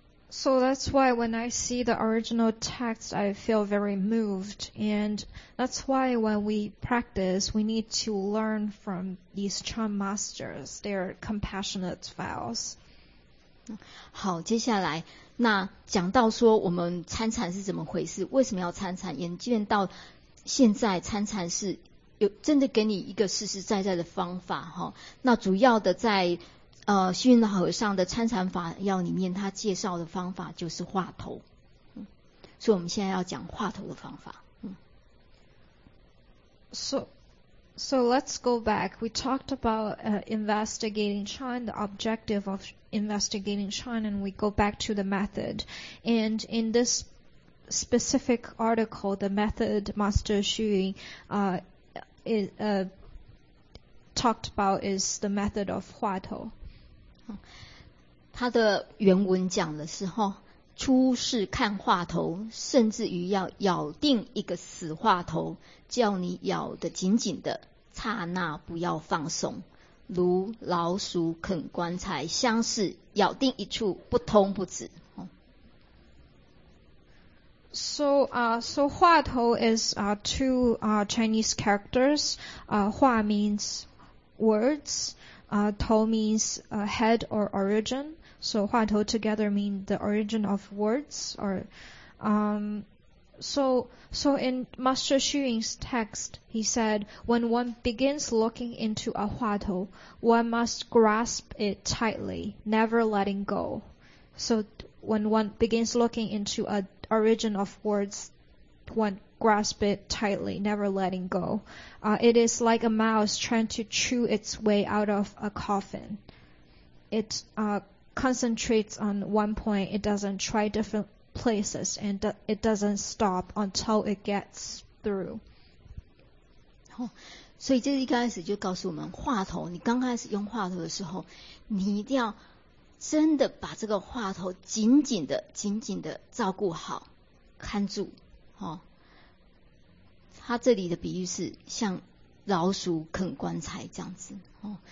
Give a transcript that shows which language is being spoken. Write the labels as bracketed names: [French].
[English] So that's why when I see the original text, I feel very moved. And that's why when we practice, we need to learn from these Chan masters, their compassionate vows. [Chinese] 好，接下来，那讲到说我们参禅是怎么回事，为什么要参禅，演变到现在参禅是有真的给你一个实实在在的方法，哦，那主要的在虚云老和尚的参禅法要里面他介绍的方法就是话头，所以我们现在要讲话头的方法。 [English] So let's go back. We talked about investigating Chan, the objective of investigating Chan, and we go back to the method. And in this specific article, the method Master Xu Yun talked about is the method of 话头。 [Chinese] 他的原文讲的是，哦，出世看话头，甚至于要咬定一个死话头，叫你咬得紧紧的，刹那不要放松，如老鼠啃棺材，相似咬定一处不通不止。 [English] So 话头 is two Chinese characters. 话 means words. 头 means head or origin. So 话头 together mean the origin of words. Or so in Master Xu Yun's text, he said, when one begins looking into a 话头, one must grasp it tightly, never letting go. So when one begins looking into a origin of words, one grasp it tightly, never letting go. It is like a mouse trying to chew its way out of a coffin. It concentrates on one point, it doesn't try different places, and it doesn't stop until it gets through. [Chinese] 所以这一开始就告诉我们，话头，你刚开始用话头的时候，你一定要真的把这个话头紧紧的、紧紧的照顾好、看住，哦。他这里的比喻是像老鼠啃棺材这样子，哦。